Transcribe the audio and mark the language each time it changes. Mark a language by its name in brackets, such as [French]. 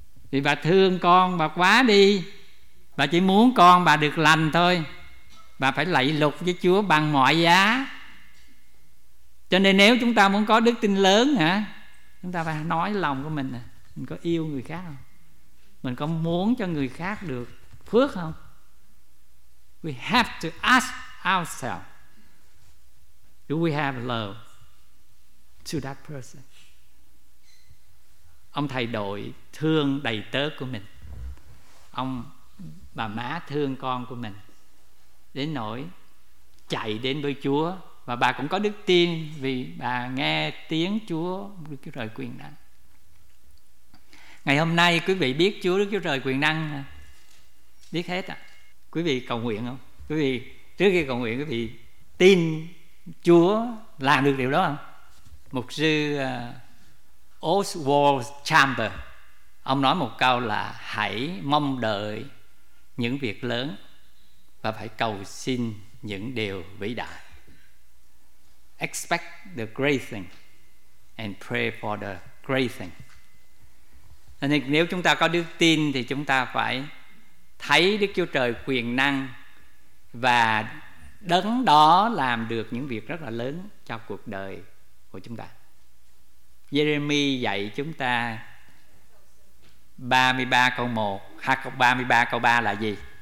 [Vietnamese] Vì bà thương con bà quá đi, bà chỉ muốn con bà được lành thôi, bà phải lạy lục với Chúa bằng mọi giá. Cho nên nếu chúng ta muốn có đức tin lớn hả, chúng ta phải nói lòng của mình, mình có yêu người khác không, mình có muốn cho người khác được phước không. [English] We have to ask ourselves, do we have love to that person? [Vietnamese] Ông thầy đội thương đầy tớ của mình, ông bà má thương con của mình đến nỗi chạy đến với Chúa, và bà cũng có đức tin vì bà nghe tiếng Chúa Đức Chúa Trời quyền năng. Ngày hôm nay quý vị biết Chúa Đức Chúa Trời quyền năng biết hết à? Quý vị cầu nguyện không? Quý vị trước khi cầu nguyện quý vị tin Chúa làm được điều đó không? Mục sư Oswald Chambers ông nói một câu là hãy mong đợi những việc lớn và phải cầu xin những điều vĩ đại. [English] Expect the great thing and pray for the great thing. [Vietnamese] Nên nếu chúng ta có đức tin thì chúng ta phải thấy Đức Chúa Trời quyền năng và đấng đó làm được những việc rất là lớn cho cuộc đời của chúng ta. Jeremy dạy chúng ta 33 câu 1 hoặc 33 câu 3 là gì?